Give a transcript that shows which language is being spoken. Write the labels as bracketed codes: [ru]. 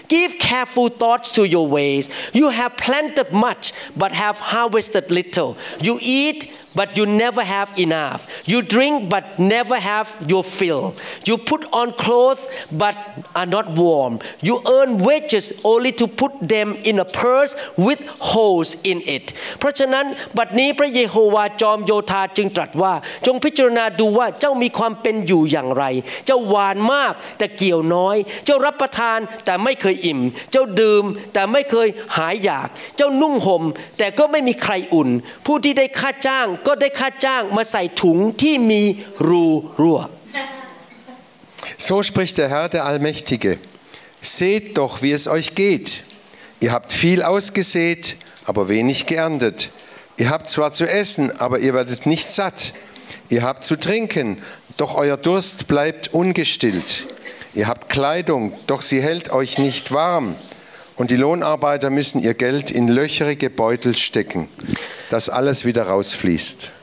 [en] Give careful thoughts to your ways. You have planted much but have harvested little. You eatBut you never have enough. You drink, but never have your fill. You put on clothes, but are not warm. You earn wages only to put them in a purse with holes in it. [th] เพราะฉะนั้นบัดนี้พระเยโฮวาจอมโยธาจึงตรัสว่าจงพิจารณาดูว่าเจ้ามีความเป็นอยู่อย่างไรเจ้าหวานมากแต่เกี่ยวน้อยเจ้ารับประทานแต่ไม่เคยอิ่มเจ้าดื่มแต่ไม่เคยหายอยากเจ้านุ่งห่มแต่ก็ไม่มีใครอุ่นผู้ที่ได้ค่าจ้างก็ได้ค่าจ้างมาใส่ถุงที่มีรูรั่ว [de] So spricht der Herr der Allmächtige Seht doch wie es euch geht Ihr habt viel ausgesät aber wenig geerntet Ihr habt zwar zu essen aber ihr werdet nicht satt Ihr habt zu trinken doch euer Durst bleibt ungestillt Ihr habt Kleidung doch sie hält euch nicht warmUnd die Lohnarbeiter müssen ihr Geld in löcherige Beutel stecken, dass alles wieder rausfließt.